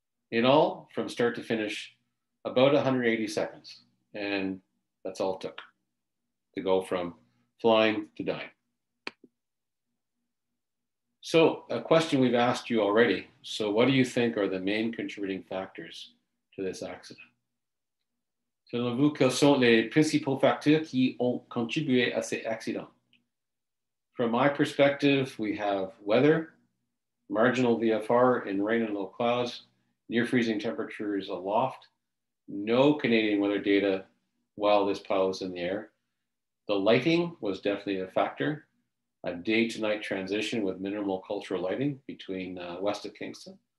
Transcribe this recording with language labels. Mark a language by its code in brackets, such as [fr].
[en] In all, from start to finish, about 180 seconds, and that's all it took to go from flying to dying. So a question we've asked you already. So what do you think are the main contributing factors to this accident? [fr] Selon vous, quels sont les principaux facteurs qui ont contribué à cet accident? [en] From my perspective, we have weather, marginal VFR in rain and low clouds, near freezing temperatures aloft, no Canadian weather data while this pilot was in the air. The lighting was definitely a factor. A day to night transition with minimal cultural lighting between west of Kingston.